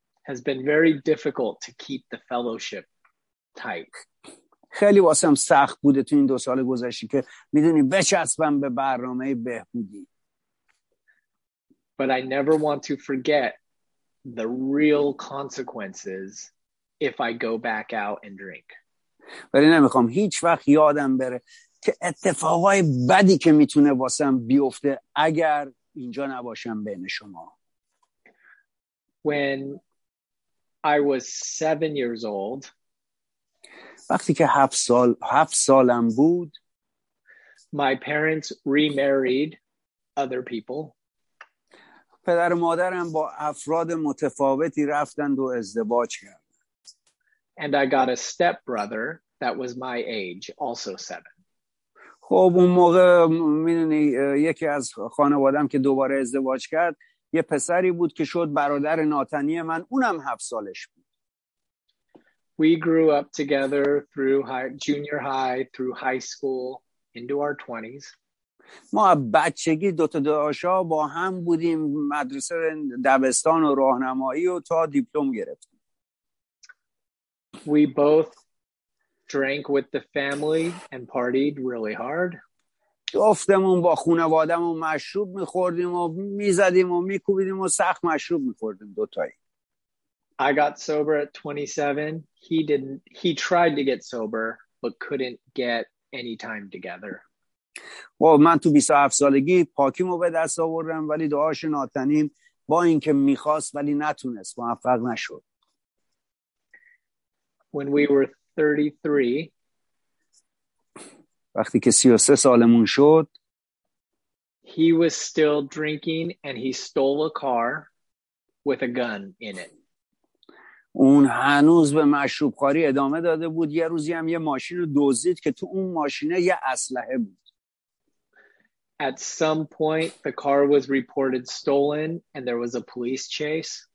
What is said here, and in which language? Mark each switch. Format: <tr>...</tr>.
<en>has been very difficult to keep the fellowship tight.</en> <fa>خیلی واسم سخت بوده تو این دو سال گذشته که میدونی بچسبم به برنامه بهبودی.</fa> <en>But I never want to forget the real consequences if I go back out and drink.</en> <fa>ولی نمیخوام هیچ وقت یادم بره که اتفاقای بدی که میتونه واسم بیفته اگر اینجا نباشم بین شما.</fa> <en>When I was 7 years old,</en> <fa>وقتی که 7 سالم بود,</fa> <en>my parents remarried other people.</en> <fa>پدر و مادرم با افراد متفاوتی رفتند و ازدواج کردند.</fa> <en>And I got a stepbrother that was my age, also 7.</en> <fa>خب اون موقع میدونی یکی از خانوادم که دوباره ازدواج کرد یه پسری بود که شد برادر ناتنی من، اونم 7 سالش بود.</fa> <en>We grew up together through junior high, through high school, into our 20s.</en> <fa>ما بچگی دوتا داشا با هم بودیم، مدرسه دبستان و راهنمایی و تا دیپلم گرفتیم.</fa> <en>We both drank with the family and partied really hard.</en> <fa>دفتمون با خانوادمون مشروب میخوردیم و میزدیم و میکوبیدیم و سخت مشروب میخوردیم دوتایی.</fa> <en>I got sober at 27. He tried to get sober but couldn't get any time together.</en> <fa>خب من تو 27 سالگی پاکیمو به دست آوردم ولی دعاش ناتنیم با اینکه میخواست ولی نتونست، موفق نشد.</fa> <en>When we were 33,</en> <fa>وقتی که 33 سالمون شد،</fa> <en>he was still drinking and he stole a car with a gun in it.</en> <fa>اون هنوز به مشروبخواری ادامه داده بود، یه روزی هم یه ماشین رو دزدید که تو اون ماشینه یه اسلحه بود.</fa> <en>At some point, the car was reported stolen, and there was a police chase.</en>